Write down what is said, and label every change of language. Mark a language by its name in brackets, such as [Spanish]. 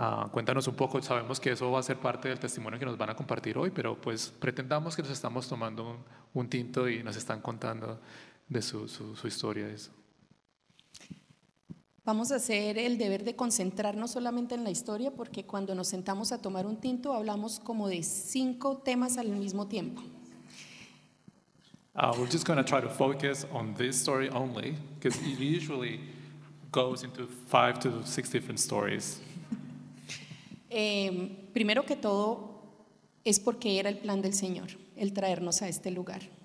[Spanish] Cuéntanos un poco, sabemos que eso va a ser parte del testimonio que nos van a compartir hoy, pero pues pretendamos que nos estamos tomando un tinto y nos están contando de su historia. Eso. Vamos a hacer el deber de concentrarnos solamente en la historia, porque cuando nos sentamos a tomar un tinto hablamos como de 5 temas al mismo tiempo. [English] We're just going to try to focus on this story only, because it usually goes into 5 to 6 different stories. [Spanish] Primero que todo, es porque era el plan del Señor, el traernos a este lugar.